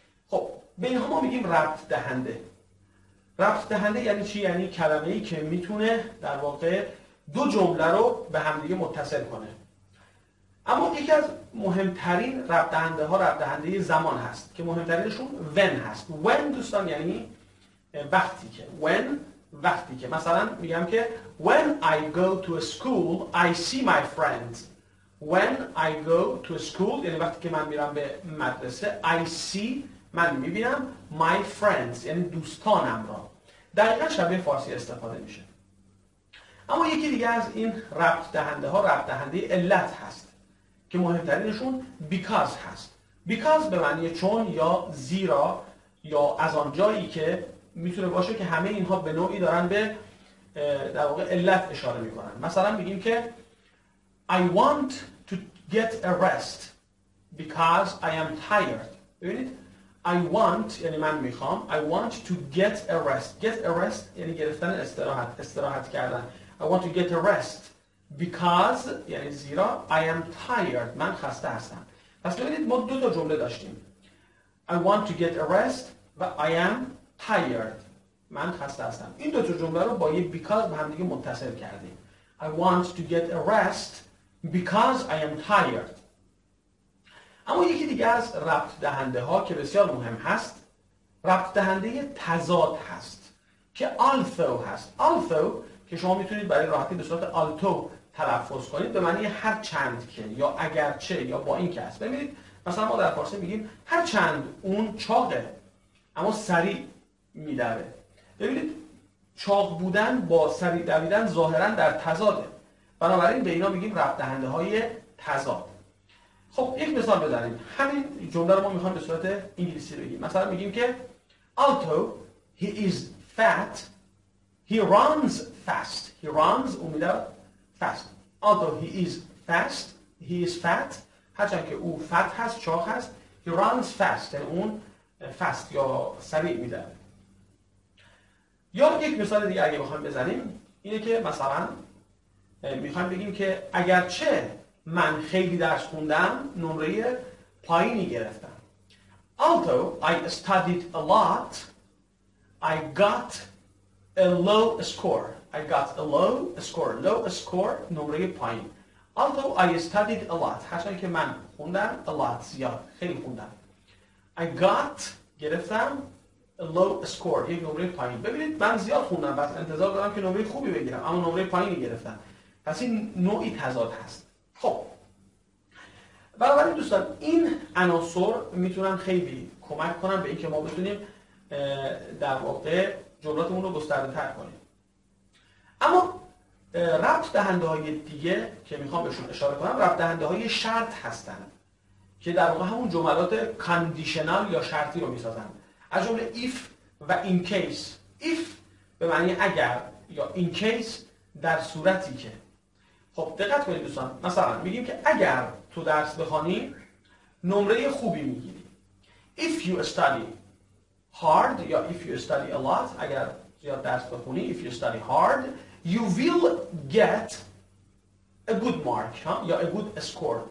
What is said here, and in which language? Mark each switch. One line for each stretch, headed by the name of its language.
Persian: خب به اینها ما میگیم ربط دهنده. ربط دهنده یعنی چی؟ یعنی کلمه‌ای که میتونه در واقع دو جمله رو به همدیگه متصل کنه. اما یکی از مهمترین ربط دهنده ها ربط دهنده زمان هست که مهمترینشون when هست. when دوستان یعنی وقتی که. when وقتی که. مثلا میگم که
English: when I go to school I see my friends. when I go to school
Persian: یعنی وقتی که من میرم به مدرسه
English: I see
Persian: من میبینم
English: my friends
Persian: یعنی دوستانم را. دقیقا شبیه فارسی استفاده میشه. اما یکی دیگه از این ربط دهنده ها ربط دهنده علت هست که مهمترینشون because هست. because به معنی چون یا زیرا یا از آنجایی که میتونه باشه که همه اینها به نوعی دارن به در واقع علت اشاره میکنن. مثلا میگیم که
English: I want to get a rest because I am tired.
Persian: ببینید
English: I want
Persian: یعنی من میخوام.
English: I want to get a rest.
Persian: get a rest یعنی گرفتن استراحت، استراحت کردن.
English: I want to get a rest because
Persian: یعنی زیرا
English: I am tired
Persian: من خسته هستم. پس ببینید ما دو تا جمله داشتیم
English: I want to get a rest
Persian: و
English: I am tired
Persian: من خسته هستم. این دو تا جمله رو با یه because به هم دیگه متصل کردیم.
English: I want to get a rest because I am tired.
Persian: اما یکی دیگه از ربط دهنده ها که بسیار مهم هست ربط دهنده تضاد هست که also هست. also که شما میتونید برای راحتی به صورت alto تلفظ کنید به معنی هر چند که یا اگرچه یا با این که هست. ببینید مثلا ما در فارسی میگیم هر چند اون چاقه اما سریع میدوه. ببینید چاق بودن با سریع دویدن ظاهرا در تضاده، بنابراین به اینا میگیم ربط دهنده های تضاد. خب یک مثال بزنیم، همین جمله رو ما میخوام به صورت انگلیسی بگیم. مثلا میگیم که
English: although he is fat he runs fast. he runs
Persian: اومده
English: fast. although he is fast he is fat
Persian: هرچند که او
English: fat هست،
Persian: چاق هست،
English: he runs fast
Persian: یعنی اون
English: fast
Persian: یا سریع میده. یا یک مثال دیگه اگه بخوام بزنیم اینه که مثلا میخوام بگیم که اگرچه من خیلی درس خوندم نمره پایینی گرفتم.
English: Although I studied a lot I got a low score. I got a low score. low score
Persian: نمره پایین.
English: Although I studied a lot
Persian: هرچند که من خوندم
English: a lot
Persian: زیاد خیلی خوندم.
English: I got
Persian: گرفتم
English: a low score
Persian: یک نمره پایین. ببینید من زیاد خوندم بس انتظار دارم که نمره خوبی بگیرم اما نمره پایینی گرفتم. پس این نوعی تضاد هست. خب بنابراین دوستان این عناصر میتونن خیلی کمک کنن به اینکه ما بتونیم در واقع جملاتمون رو گسترده تر کنیم. اما ربط دهنده های دیگه که میخوام بهشون اشاره کنم ربط دهنده های شرط هستن که در واقع همون جملات کاندیشنال یا شرطی رو میسازن. از جمله if و in case. if به معنی اگر یا in case در صورتی که. خب دقت کنید دوستان، مثلا میگیم که اگر تو درس بخوانی نمره خوبی میگیری.
English: if you study hard یا if you study a lot
Persian: اگر زیاد درس بخونی
English: if you study hard you will get a good mark ها؟ یا a good score.